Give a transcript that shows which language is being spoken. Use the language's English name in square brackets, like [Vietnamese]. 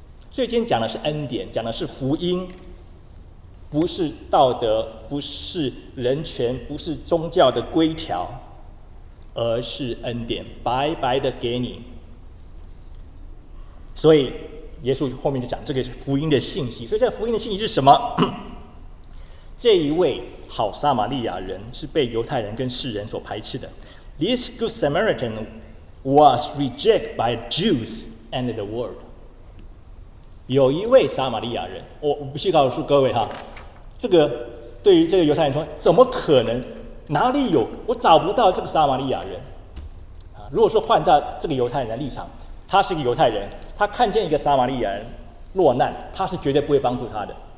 [Chinese] 所以今天讲的是恩典，讲的是福音，不是道德，不是人权，不是宗教的规条，而是恩典，白白的给你。所以耶稣后面就讲这个福音的信息。所以这福音的信息是什么？这一位好撒玛利亚人是被犹太人跟世人所排斥的。 [English] This good Samaritan was rejected by Jews and the world. [Chinese] 有一位撒玛利亚人，我必须告诉各位哈，这个对于这个犹太人说，怎么可能？哪里有？我找不到这个撒玛利亚人。如果说换到这个犹太人的立场，他是个犹太人，他看见一个撒玛利亚人落难，他是绝对不会帮助他的。